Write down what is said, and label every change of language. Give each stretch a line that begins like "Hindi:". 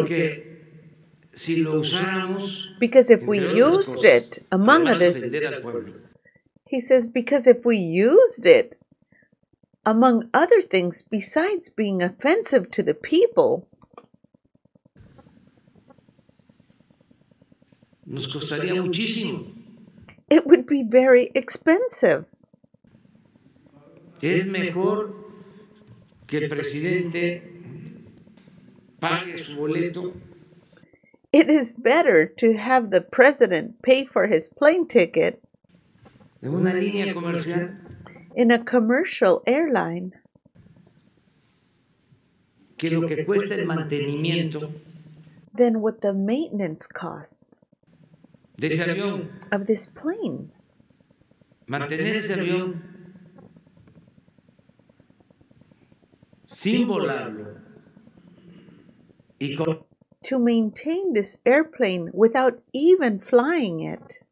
Spanish: Porque si lo usáramos,
English: because if we used
Spanish: cosas,
English: it, among other things, he says, because if we used it, among other things, besides being offensive to the people,
Spanish: nos costaría muchísimo.
English: It would be very expensive.
Spanish: Es mejor que el presidente pague su boleto.
English: It is better to have the president pay for his plane ticket.
Spanish: En una línea comercial.
English: In a commercial airline.
Spanish: Que lo que cuesta el mantenimiento.
English: Then what the maintenance costs.
Spanish: De ese avión.
English: Of this plane.
Spanish: Mantener ese avión. Sin volarlo.
English: To maintain this airplane without even flying it.